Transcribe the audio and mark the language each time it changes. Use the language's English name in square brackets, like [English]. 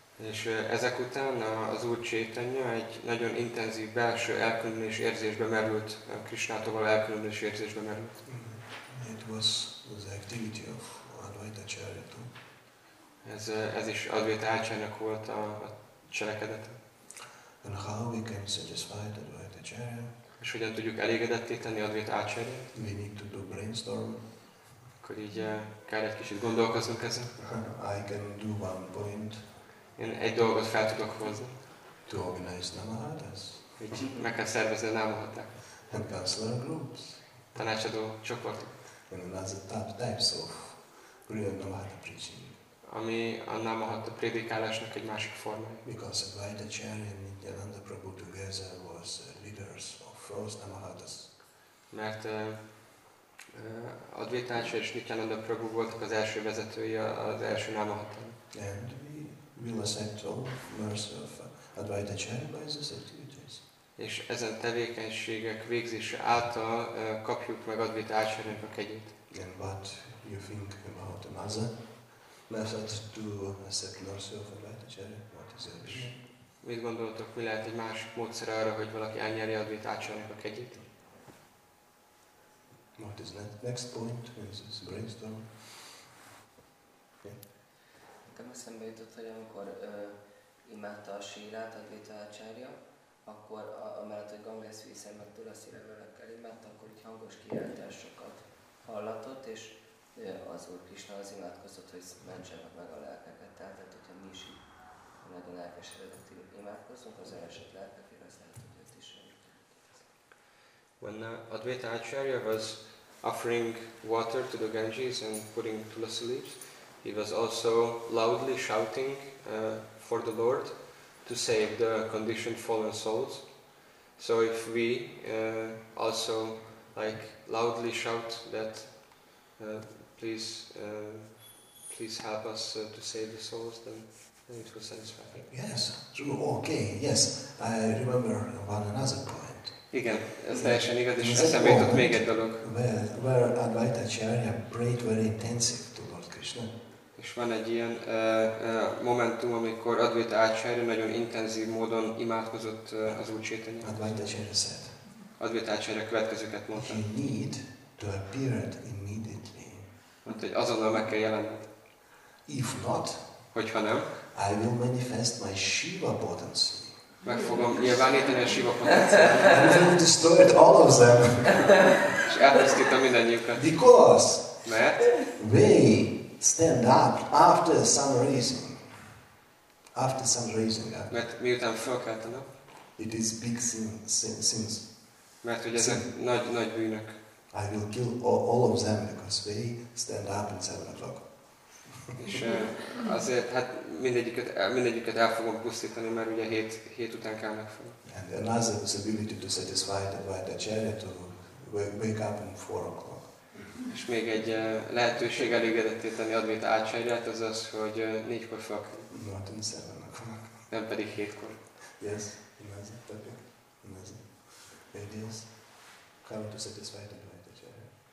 [Hungarian] És ezek után az Úr Chaitanya egy nagyon intenzív belső elkülönülés érzésbe merült, Krishnától elkülönülés érzésbe merült. [English] It was the activity of Advaita Acharya too. [Hungarian] Ez is Advaita Acharya-nak volt a cselekedete. [English] And how we can satisfy Advaita Acharya? [Hungarian] És hogyan tudjuk elégedetté tenni Advaita Acharya? [English] We need to do brainstorm. [Hungarian] Akkor így kell egy kicsit gondolkozunk ezen. [English] I can do one point. [Hungarian] Én egy dolgot fel tudok hozni. [English] To organize Namahatas. [Hungarian] Hogy meg kell szervezni a Namahatát. [English] And counselor groups. [Hungarian] Tanácsadó csoportok. [English] And another types of real Namahata preaching. [Hungarian] Ami a Namahata prédikálásnak egy másik forma. [English] Because Advaita Acharya and Nityananda Prabhu together was leaders of first Namahatas. [Hungarian] Mert Advaita Acharya és Nityananda Prabhu voltak az első vezetői az első Namahata. [English] And we will accept all mercy of Advaita Acharya by these activities. [Hungarian] És ezen tevékenységek végzése által kapjuk meg Advaita Acharya-nak a kegyét. [English] And what you think about another method to accept mercy of Advaita Acharya? What is your wish? [Hungarian] Mit gondoltok, mi lehet egy másik módszer arra, hogy valaki elnyeri Advaita Acharya-nak a kegyét? [English] What is the next point? Is this brainstorm? [Hungarian] Nekem eszembe jutott, hogy amikor imádta a sírát Advaita Acharya, akkor amellett, hogy Ganges vízzel meg Tulasi levelekkel imádta, akkor így hangos kiáltásokat hallatott, és az Úr Krisna az imádkozott, hogy mentsenek meg a lelkeket. Tehát, hogyha mi is nagyon elkeseredett imádkozunk, az elesett lelkekért, az lehet, hogy őt is [English] When Advaita Acharya was offering water to the Ganges and putting Tulasi leaves, he was also loudly shouting for the Lord to save the conditioned fallen souls. So if we also like loudly shout that please help us to save the souls, then it will satisfy. Yes, true, okay, yes. I remember one another point. [Hungarian] Igen, ez teljesen igaz, és eszembe jutott még egy dolog. [English] Where Advaita Acharya prayed very intensive to Lord Krishna. [Hungarian] És van egy ilyen momentum, amikor Advaita Acharya nagyon intenzív módon imádkozott az Úr Chaitanya. [English] Advaita Acharya said. [Hungarian] Advaita Acharya következőket mondta. [English] He need to appear immediately. [Hungarian] Mondta, hogy azonnal meg kell jelenned. [English] If not, [Hungarian] hogyha nem, [English] I will manifest my Shiva potency. [Hungarian] Meg fogom nyilvánítani a Shiva potenciát. [English] And I will destroy all of them. [Hungarian] És elpusztítom mindannyiukat. [English] Because. [Hungarian] Mert. [English] They. Stand up after some reason. After some reason. [Hungarian] Mert miután felkeltenek? [English] It is big sins. [Hungarian] Mert hogy ezek nagy bűnök. [English] I will kill all of them because they stand up at 7 o'clock. [Hungarian] És azért hát mindegyiket el fogom pusztítani, mert ugye hét után kelnek fel. [English] And another possibility to satisfy the Advaita Acharya to wake up at 4 o'clock. [Hungarian] És még egy lehetőség elégedetté tenni Advaita Acharyát, az az, hogy 4-kor fog. [English] Not in 7 o'clock. [Hungarian] Nem pedig 7-kor. [English] Yes, imagine, okay. Imagine. Ideas, come to satisfy the Advaita Acharya.